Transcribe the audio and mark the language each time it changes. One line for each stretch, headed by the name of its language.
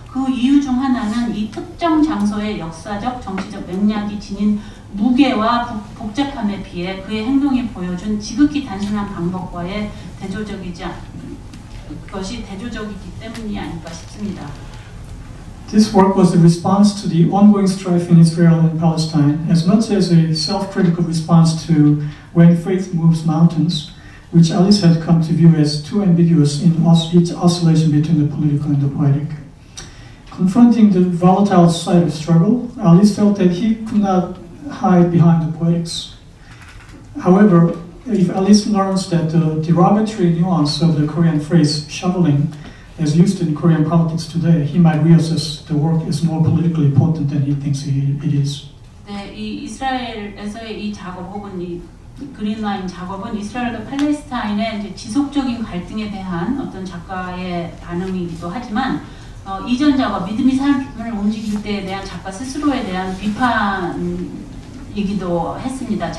Korean: 그 이유 중 하나는 이 특정 장소의 역사적, 정치적 맥락이 지닌 무게와 복잡함에 비해 그의 행동이 보여준 지극히 단순한 방법과의 대조적이기 때문이 아닐까 싶습니다.
English: This work was a response to the ongoing strife in Israel and Palestine, as much as a self-critical response to When Faith Moves Mountains, which Alice had come to view as too ambiguous in its oscillation between the political and the poetic. Confronting the volatile side of struggle, Alice felt that he could not hide behind the poetics. However, if Alice learns that the derogatory nuance of the Korean phrase shoveling as used in Korean politics today, he might reassess the work is more politically important than he thinks it is.
Korean: 네, 이 이스라엘에서의 이 작업 혹은 이 그린 라인 작업은 이스라엘과 팔레스타인의 이제 지속적인 갈등에 대한 어떤 작가의 반응이기도 하지만 이전 작업 믿음이 사람을 움직일 때에 대한 작가 스스로에 대한 비판이기도 했습니다.